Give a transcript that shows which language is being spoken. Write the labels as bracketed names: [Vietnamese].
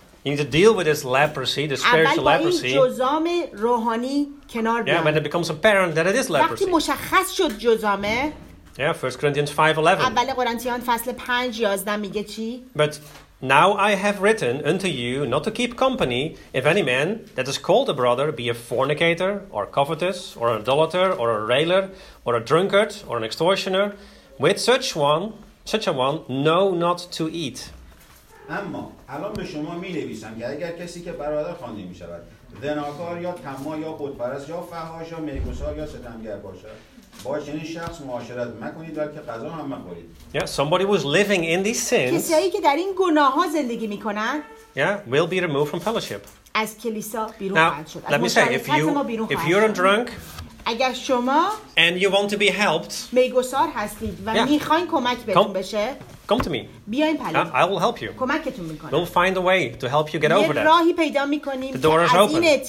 [English] You need to deal with this leprosy, this spiritual leprosy. [Persian] اول با این جزام روحانی کنار بیاین. [English] Yeah, when it becomes apparent that it is leprosy. [Persian] وقتی مشخص شد جزامه. [English] Yeah, 1 Corinthians 5:11. [Persian] اول قرنتیان فصل 5:11 میگه چی؟ [English] But now I have written unto you not to keep company if any man that is called a brother be a fornicator, or covetous, or an idolater, or a railer, or a drunkard, or an extortioner, with such a one, know not to eat. [Persian] اما الان به شما می نویسم که اگر کسی که برادر خوانده می شود زناکار یا طماع یا بت‌پرست یا فحاش یا میگسار یا ستمگر باشد با چنین شخص معاشرت مکنید بلکه قضا هم مخورید. [English] Yeah, somebody who's living in these sins. [Persian] کسی هایی که در این گناه ها زندگی می کنند. [English] Yeah, will be removed from fellowship. [Persian] از کلیسا بیرون خواهد شد. [English] Let me say, if you're a drunk. [Persian] اگر شما. [English] And you want to be helped. [Persian] میگسار هستید و می خواین کمک بهتون بشه. [English] Come to me. I will help you. We'll find a way to help you get over that. The door is open.